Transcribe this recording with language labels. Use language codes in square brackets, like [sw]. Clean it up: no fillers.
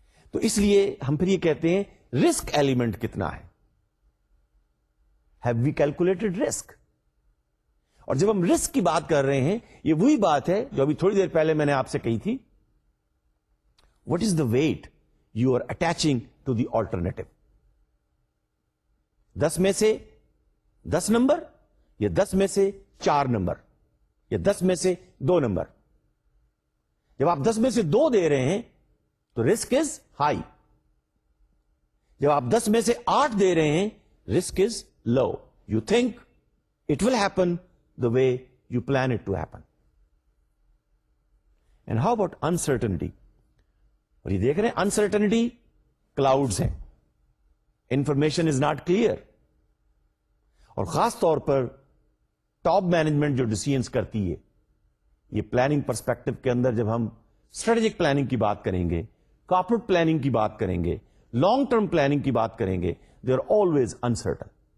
[ur] تو اس لیے ہم پھر یہ کہتے ہیں risk element کتنا ہے. [en] Have we calculated risk? [ur] اور جب ہم risk کی بات کر رہے ہیں یہ وہی بات ہے جو ابھی تھوڑی دیر پہلے میں نے آپ سے کہی تھی. [en] What is the weight you are attaching to the alternative? [ur] 10 میں سے 10 نمبر یا 10 میں سے 4 نمبر یا 10 میں سے 2 نمبر. جب آپ 10 میں سے 2 دے رہے ہیں تو [en] Risk is high. [ur] جب آپ 10 میں سے 8 دے رہے ہیں [en] Risk is low. You think it will happen the way you plan it to happen. And how about uncertainty? [ur] اور یہ دیکھ رہے ہیں انسرٹنٹی کلاؤڈز ہیں, [en] Information is not clear. [ur] اور خاص طور پر ٹاپ مینجمنٹ جو ڈیسیژنس کرتی ہے, یہ پلاننگ پرسپیکٹو کے اندر جب ہم اسٹریٹجک پلاننگ کی بات کریں گے, کارپوریٹ پلاننگ کی بات کریں گے, لانگ ٹرم پلاننگ کی بات کریں گے, [en] They are always uncertain.